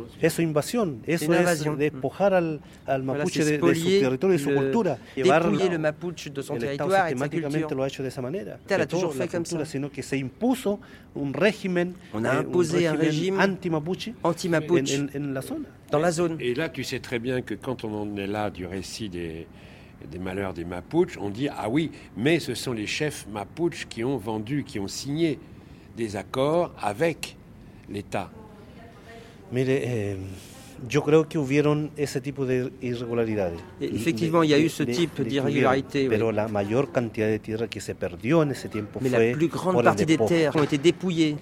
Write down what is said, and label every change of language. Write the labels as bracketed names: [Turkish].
[Spanish] Eso invasión, eso es despojar al mapuche de su territorio y su cultura, [French] dépouiller le mapuche de son territoire et sa culture. [Spanish] Systématiquement, lo ha hecho de esa manera. [French] Il a toujours fait comme ça, [Spanish] sino que se impuso un régimen. [French] On a imposé un régime [Spanish] anti-mapuche en la zona. [French] Dans la zone. Et là, tu sais très bien que quand on en est là du récit des malheurs des Mapuches, on dit, ah oui, mais ce sont les chefs Mapuches qui ont vendu, qui ont signé des accords avec l'État. [Spanish] Mire, yo creo que hubieron ese tipo de irregularidades. [French] Effectivement, il y a eu ce type d'irrégularité. [Spanish] Pero la mayor cantidad de tierra que se perdió en ese tiempo [French] fue la plus grande partie des terres ont été dépouillées.